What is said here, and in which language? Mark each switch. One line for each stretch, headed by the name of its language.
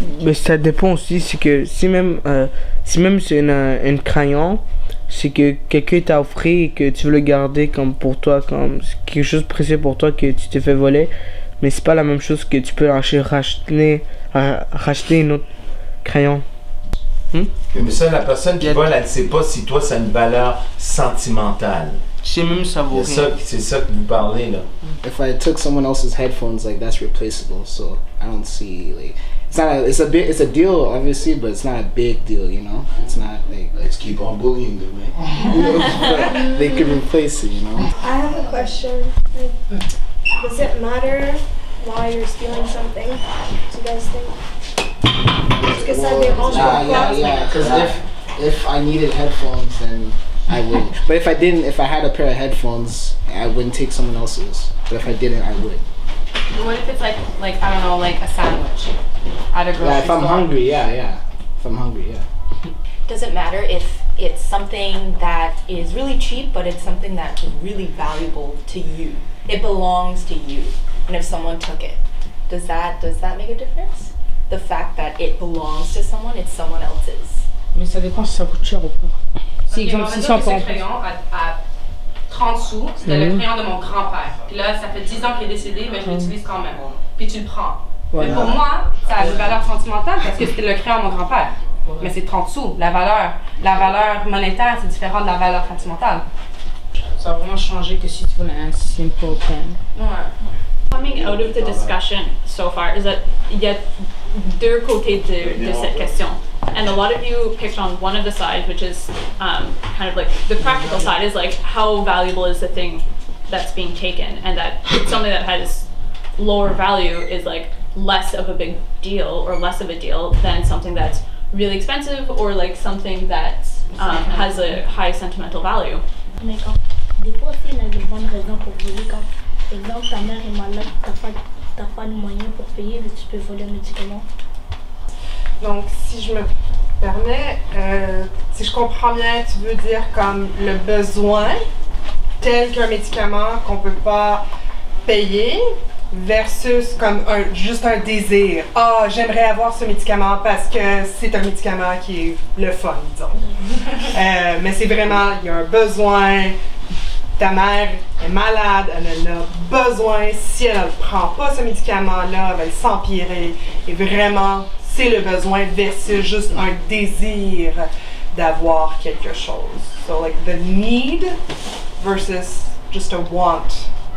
French: Mais ça dépend aussi, c'est que si même c'est un crayon, c'est que quelqu'un t'a offert et que tu veux le garder comme pour toi, comme quelque chose de précieux pour toi que tu t'es fait voler, mais c'est pas la même chose que tu peux racheter un autre crayon. Mais ça, la personne qui vole, elle sait pas si toi ça a une valeur sentimentale. C'est même ça vaut rien. C'est ça que vous parlez là.
English: If I took someone else's headphones, like that's replaceable, so I don't see like it's a deal obviously, but it's not a big deal, you know. It's not like let's keep on bullying them. Right? They can replace it, you know. I have a question. Like, does it matter why you're stealing something? Do you guys think? Because well, if I needed headphones, then I would. But if I didn't, if I had a pair of headphones, I wouldn't take someone else's. But if I didn't, I would. What if it's like I don't know, like a sandwich at a grocery store? If I'm hungry, yeah. Does it matter if it's something that is really cheap, but it's something that's really valuable to you? It belongs to you, and if someone took it, does that make a difference? The fact that it belongs to someone, it's someone else's.
French: Mais ça dépend si ça coûte cher ou pas. Si okay, exemple, si c'est un crayon à 30 sous, c'était le crayon de mon grand-père. Puis là, ça fait 10 ans qu'il est décédé, mais je l'utilise quand même. Puis tu le prends. Voilà. Mais pour moi, ça a une valeur sentimentale parce que c'était le crayon de mon grand-père. Ouais. Mais c'est 30 sous. La valeur monétaire, c'est différent de la valeur sentimentale. ça a vraiment changé que si tu voulais un simple pen. Ouais.
English: Coming out of the discussion so far is that
French: il y a deux côtés de cette question.
English: And a lot of you picked on one of the sides, which is kind of like the practical side, is like how valuable is the thing that's being taken, and that something that has lower value is like less of a big deal or less of a deal than something that's really expensive or like something that has a high sentimental value.
French: Des fois aussi, il y a de bonnes raisons pour voler. Quand, par exemple, ta mère est malade, t'as pas de moyens pour payer, mais tu peux voler un médicament. Donc, si je me permets, si je comprends bien, tu veux dire comme le besoin tel qu'un médicament qu'on peut pas payer versus comme juste un désir. Ah, j'aimerais avoir ce médicament parce que c'est un médicament qui est le fun, disons. Mais c'est vraiment, il y a un besoin. Ta mère est malade, elle en a besoin. Si elle ne prend pas ce médicament-là, elle va s'empirer. Et vraiment, c'est le besoin versus juste un désir d'avoir quelque chose.
English: So, like, the need versus just a want.